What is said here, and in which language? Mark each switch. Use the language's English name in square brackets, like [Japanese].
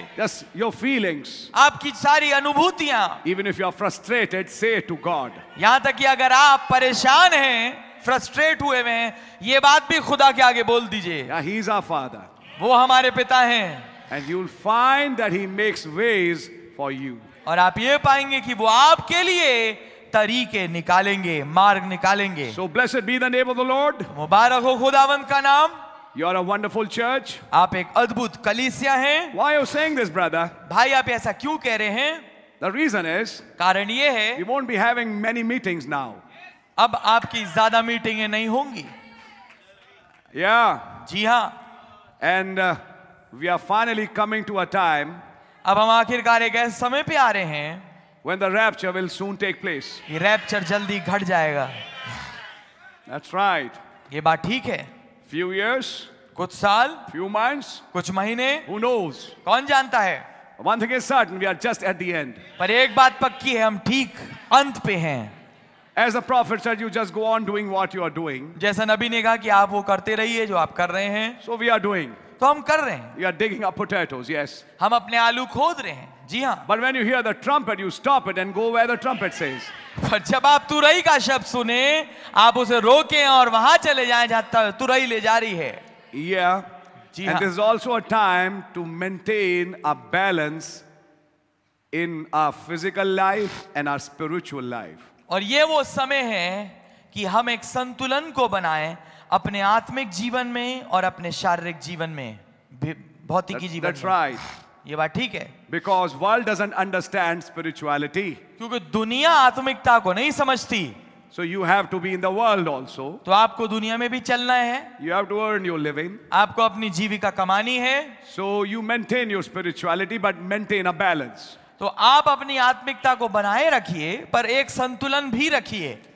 [English] Just your feelings. [Hindi] आपकी सारी अनुभूतियाँ. [English] Even if you are frustrated, say it to God. [Hindi] यहाँ तक कि अगर आप परेशान हैं. फ्रस्ट्रेट हुए हैं ये बात भी खुदा के आगे बोल दीजिए. [English] Yeah, he is our father. [Hindi] वो हमारे पिता हैं. [English] And you'll find that he makes ways for you. [Hindi] और आप ये पाएंगे कि वो आपके लिए तरीके निकालेंगे, मार्ग निकालेंगे. [English] So blessed be the name of the Lord. [Hindi] मुबारक हो खुदावंद का नाम. [English] You are a wonderful church. [Hindi] आप एक अद्भुत कलीसिया हैं. [English] Why are you saying this, brother? [Hindi] भाई आप ऐसा क्यों कह रहे हैं? [English] The reason is, [Hindi] कारण ये है, [English] we won't be having many meetings now. [Hindi] अब आपकी ज्यादा मीटिंगें नहीं होंगी. [English] या yeah. [Hindi] जी हाँ. [English] And we are finally coming to a time. [Hindi] अब हम आखिरकार एक ऐसे समय पे आ रहे हैं. [English] When the rapture will soon take place. [Hindi] Rapture जल्दी घट जाएगा. [English] That's right. [Hindi] ये बात ठीक है. [English] Few years. [Hindi] कुछ साल. [English] Few months. [Hindi] कुछ महीने. [English] Who knows. [Hindi] कौन जानता है. [English] One thing is certain, we are just at the end. [Hindi] पर एक बात पक्की है, हम ठीक अंत पे हैं. [English] As the prophet said, you just go on doing what you are doing. [Hindi] जैसे नबी ने कहा कि आप वो करते रहिए जो आप कर रहे हैं. [English] So we are doing. [Hindi] तो हम कर रहे हैं. [English] You are digging up potatoes, yes. [Hindi] हम अपने आलू खोद रहे हैं. जी हाँ. [English] But when you hear the trumpet, you stop it and go where the trumpet says. [Hindi] पर जब आप तुरई का शब्द सुने, आप उसे रोकें और वहां चले जाएं जहां तुरई ले जा रही है. [English] Yeah. [Hindi] जी हाँ. [English] And this is also a time to maintain a balance in our physical life and our spiritual life. [Hindi] और ये वो समय है कि हम एक संतुलन को बनाएं अपने आत्मिक जीवन में और अपने शारीरिक जीवन में, भौतिकी जीवन [English] that's [Hindi] में. [English] Right. [Hindi] ये बात ठीक है. [English] Because world doesn't understand spirituality. [Hindi] क्योंकि दुनिया आत्मिकता को नहीं समझती. [English] So you have to be in the world also. [Hindi] तो आपको दुनिया में भी चलना है. [English] You have to earn your living. [Hindi] आपको अपनी जीविका कमानी है. [English] So you maintain your spirituality but maintain a balance. [Hindi] तो आप अपनी आत्मिकता को बनाए रखिए पर एक संतुलन भी रखिए.